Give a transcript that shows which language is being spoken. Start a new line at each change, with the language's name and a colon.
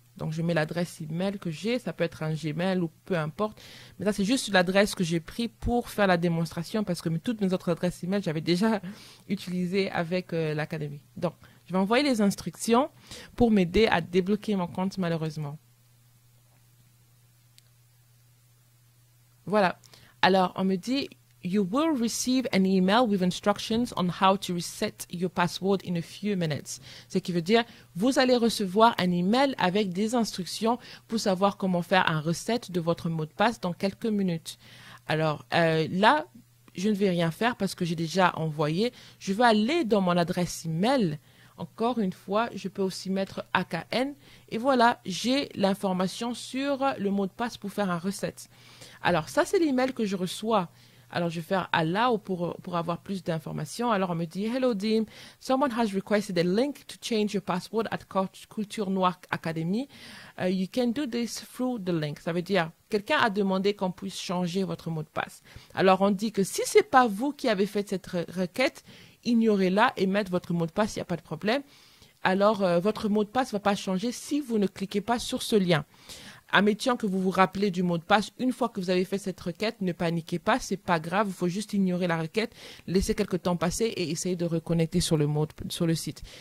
French: Donc, je mets l'adresse email que j'ai. Ça peut être un Gmail ou peu importe. Mais ça, c'est juste l'adresse que j'ai pris pour faire la démonstration, parce que toutes mes autres adresses email, j'avais déjà utilisées avec l'Académie. Donc, je vais envoyer les instructions pour m'aider à débloquer mon compte, malheureusement. Voilà. Alors, on me dit,
English: You will receive an email with instructions on how to reset your password in a few minutes.
French: Ce qui veut dire, vous allez recevoir un email avec des instructions pour savoir comment faire un reset de votre mot de passe dans quelques minutes. Alors, là, je ne vais rien faire parce que j'ai déjà envoyé. Je vais aller dans mon adresse email. Encore une fois, je peux aussi mettre AKN et voilà, j'ai l'information sur le mot de passe pour faire un reset. Alors, ça, c'est l'email que je reçois. Alors, je vais faire allow pour avoir plus d'informations. Alors, on me dit
English: Hello, Dim. Someone has requested a link to change your password at Culture Noire Academy. You can do this through the link.
French: Ça veut dire, quelqu'un a demandé qu'on puisse changer votre mot de passe. Alors, on dit que si ce n'est pas vous qui avez fait cette requête, ignorez-la et mettez votre mot de passe, il n'y a pas de problème. Alors, votre mot de passe ne va pas changer si vous ne cliquez pas sur ce lien. Admettons que vous vous rappelez du mot de passe, une fois que vous avez fait cette requête, ne paniquez pas, c'est pas grave, il faut juste ignorer la requête, laisser quelque temps passer et essayer de reconnecter sur le site.